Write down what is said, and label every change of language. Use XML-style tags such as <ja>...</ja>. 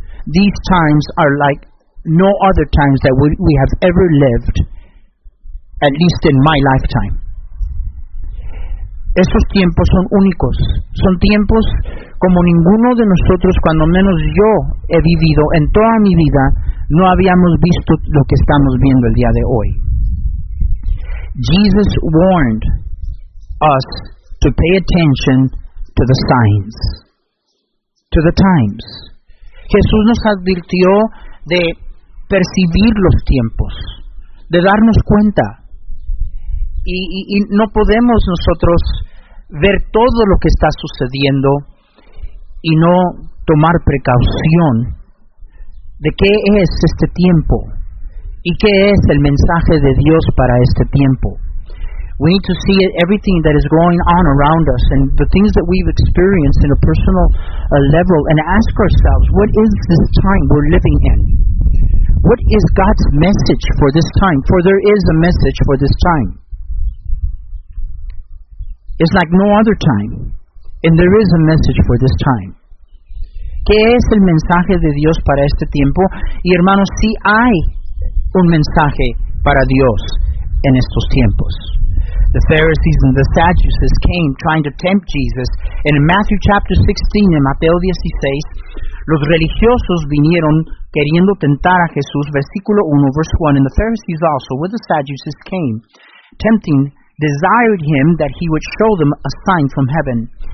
<en>These times are like no other times that we have ever lived, at least in my lifetime.</en> <es>Esos tiempos son únicos. Son tiempos como ninguno de nosotros, cuando menos yo he vivido en toda mi vida, no habíamos visto lo que estamos viendo el día de hoy.</es> <en>Jesus warned us to pay attention to the signs, to the times.</en> <es>Jesús nos advirtió de percibir los tiempos, de darnos cuenta. Y no podemos nosotros ver todo lo que está sucediendo y no tomar precaución de qué es este tiempo y qué es el mensaje de Dios para este tiempo.</es> <en>We need to see everything that is going on around us and the things that we've experienced in a personal level and ask ourselves, what is this time we're living in? What is God's message for this time? For there is a message for this time. It's like no other time. And there is a message for this time.</en> <es>¿Qué es el mensaje de Dios para este tiempo? Y hermanos, sí hay un mensaje para Dios en estos tiempos.</es> <en>The Pharisees and the Sadducees came trying to tempt Jesus. And in Matthew chapter 16, in Mateo 16,</en> <es>Los religiosos vinieron queriendo tentar a Jesús. Versículo 1,</es> <en>verse 1. And the Pharisees also, with the Sadducees, came, tempting, desired him that he would show them a sign from heaven.</en>